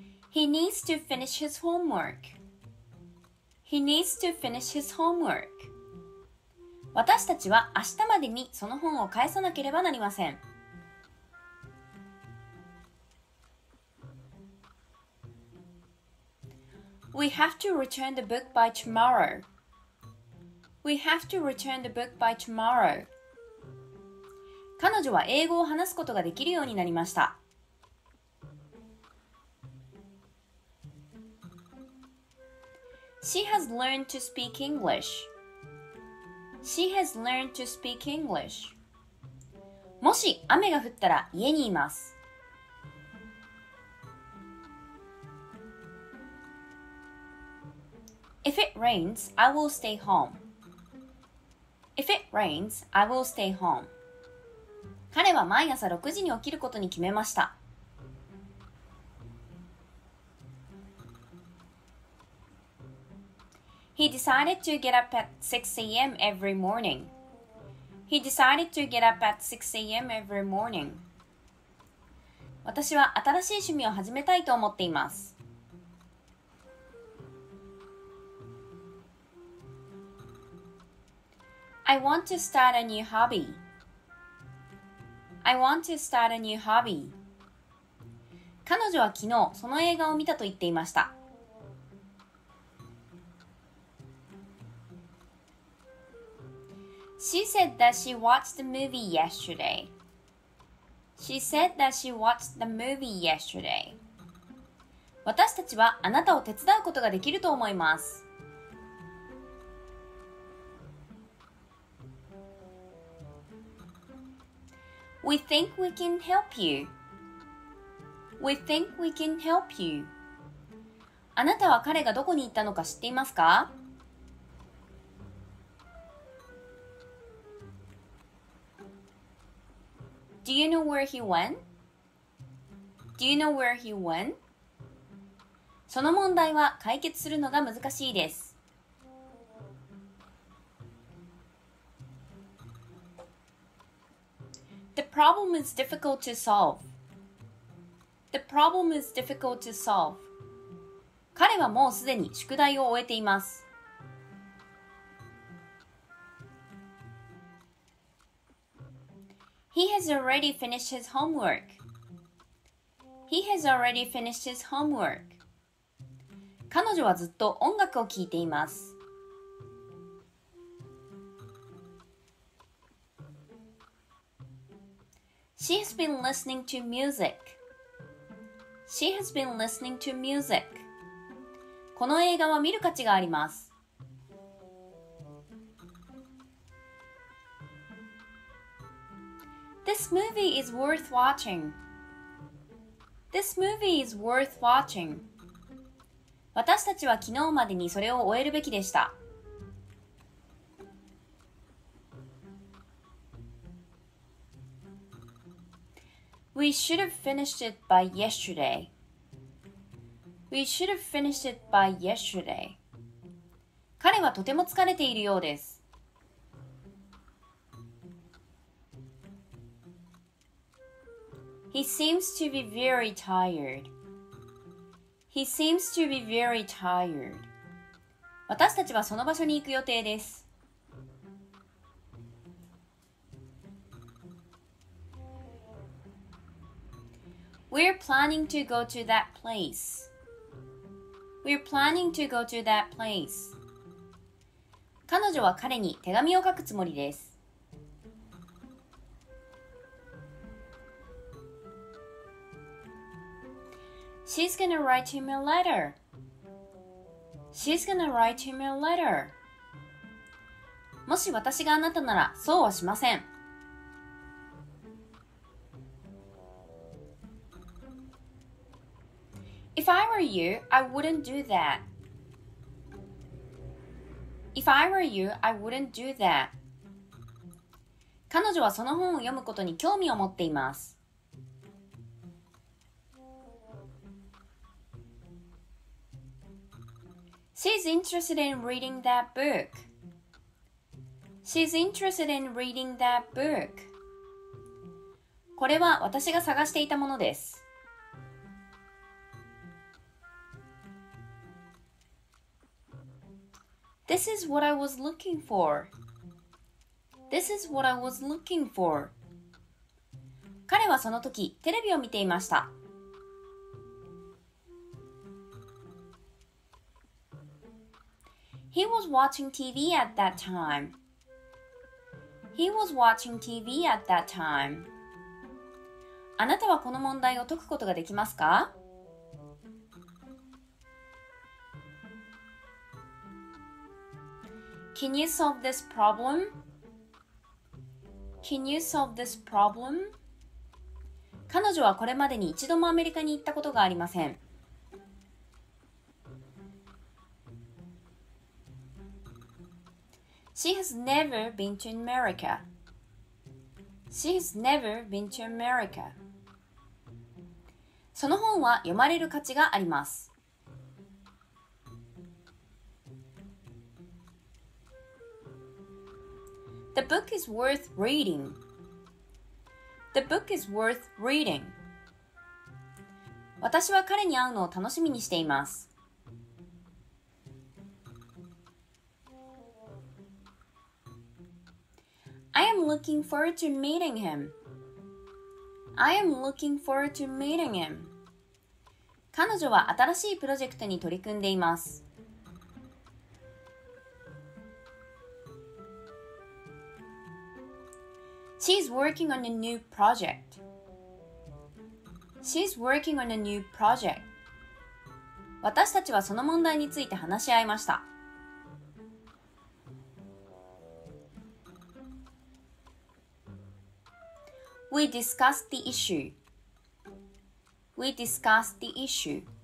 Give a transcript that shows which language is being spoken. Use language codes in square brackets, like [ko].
[en] He needs to finish his homework. He needs to finish his homework. [ja] 私たちは明日までにその本を返さなければなりません。 [en] We have to return the book by tomorrow. We have to return the book by tomorrow. [ja] 彼女は英語を話すことができるようになりました。 [en] She has learned to speak English. She has learned to speak English. [ja] もし雨が降ったら家にいます。 [en] If it rains, I will stay home. If it rains, I will stay home. [ja] 彼は毎朝6時に起きることに決めました。 [en] He decided to get up at 6 a.m. every morning. He decided to get up at 6 a.m. every morning. [ja] 私は新しい趣味を始めたいと思っています。 [en] I want to start a new hobby. I want to start a new hobby. [ja] 彼女は昨日その映画を見たと言っていました。 [en] She said that she watched the movie yesterday. She said that she watched the movie yesterday. [ja] 私たちはあなたを手伝うことができると思います。 [en] We think we can help you. We think we can help you. [ja] あなたは彼がどこに行ったのか知っていますか？ [en] Do you know where he went? Do you know where he went? [ja] その問題は解決するのが難しいです。 [en] The problem is difficult to solve. The problem is difficult to solve. [ja] 彼はもうすでに宿題を終えています。 [en] He has already finished his homework. He has already finished his homework. [ja] 彼女はずっと音楽を聴いています。 [en] She has been listening to music. She has been listening to music. [ja] この映画は見る価値があります。 [en] This movie is worth watching. This movie is worth watching. [ja] 私たちは昨日までにそれを終えるべきでした。 [en] We should have finished it by yesterday. We should have finished it by yesterday. [ja] 彼はとても疲れているようです。 [en] He seems to be very tired. He seems to be very tired. [ja] 私たちはその場所に行く予定です。 [en] We're planning to go to that place. We're planning to go to that place. [ja] 彼女は彼に手紙を書くつもりです。 [en] She's gonna write him a letter. She's gonna write him a letter. [ja] もし私があなたならそうはしません。 [en] If I were you, I wouldn't do that. If I were you, I wouldn't do that. [ja] 彼女はその本を読むことに興味を持っています。 [en] She's interested in reading that book. She's interested in reading that book. [ja] これは私が探していたものです。 [en] This is what I was looking for. This is what I was looking for. [ja] 彼はその時テレビを見ていました。 [en] He was watching TV at that time. He was watching TV at that time. [ja] あなたはこの問題を解くことができますか? [en] Can you solve this problem? Can you solve this problem? [ja] 彼女はこれまでに一度もアメリカに行ったことがありません。 [en] She has never been to America. She has never been to America. [ja] その本は読まれる価値があります。 [en] The book is worth reading. The book is worth reading. [ja] 私は彼に会うのを楽しみにしています。 [en] I am looking forward to meeting him. I am looking forward to meeting him. [ja] 彼女は新しいプロジェクトに取り組んでいます。 [en] She's working on a new project. She's working on a new project. [ja] 私たちはその問題について話し合いました。 [en] We discussed the issue. We discussed the issue.